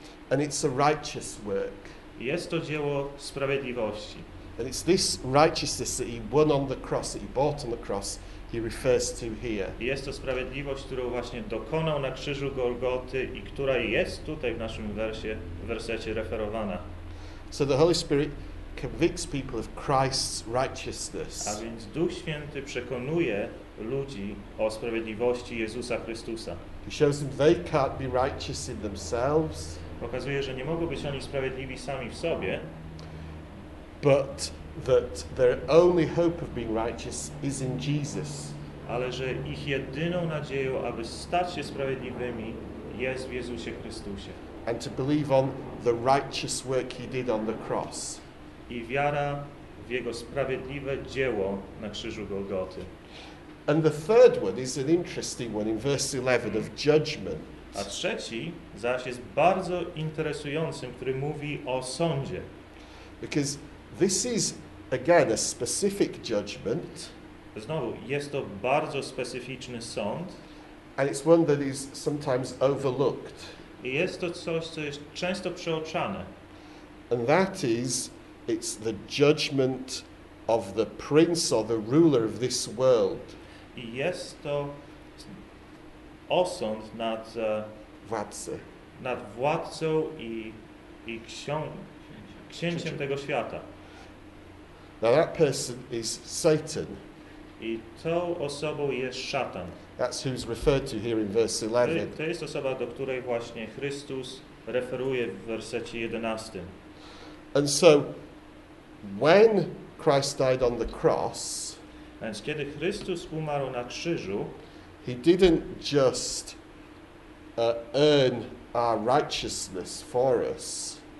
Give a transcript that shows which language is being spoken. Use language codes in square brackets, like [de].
[en] And it's a righteous work. [pl] Jest to dzieło sprawiedliwości. [en] And it's this righteousness that he won on the cross, that he bought on the cross, he refers to here. [pl] Jest to sprawiedliwość, którą właśnie dokonał na krzyżu Golgoty i która jest tutaj w naszym wersecie referowana. [en] So the Holy Spirit convicts people of Christ's righteousness. [pl] A więc Duch Święty przekonuje ludzi o sprawiedliwości Jezusa Chrystusa. [en] He shows them they can't be righteous in themselves. [pl] Pokazuje, że nie mogą być oni sprawiedliwi sami w sobie. [en] But that their only hope of being righteous is in Jesus. [pl] Ale że ich jedyną nadzieją, aby stać się sprawiedliwymi, jest w Jezusie Chrystusie. [en] And to believe on the righteous work he did on the cross. [pl] I wiara w jego sprawiedliwe dzieło na krzyżu Golgoty. [en] And the third one is an interesting one in verse 11 of judgment. [pl] A trzeci zaś jest bardzo interesującym, który mówi o sądzie. [en] Because this is again a specific judgment. [pl] Znowu, jest to bardzo specyficzny sąd. [en] And it's one that is sometimes overlooked. [pl] I jest to coś, co jest często przeoczane. [en] And that is, it's the judgment of the prince or the ruler of this world. [pl] i jest to osąd nad władcą. Nad władcą i księciem tego świata. [en] Now that person is Satan. [pl] I tą osobą jest szatan. [en] That's who's referred to here in verse 11. [pl] To jest osoba, do której właśnie Chrystus referuje w wersecie 11. [en] And so when Christ died on the cross, [pl] więc kiedy Chrystus umarł na krzyżu, [en] he didn't just earn our righteousness for us.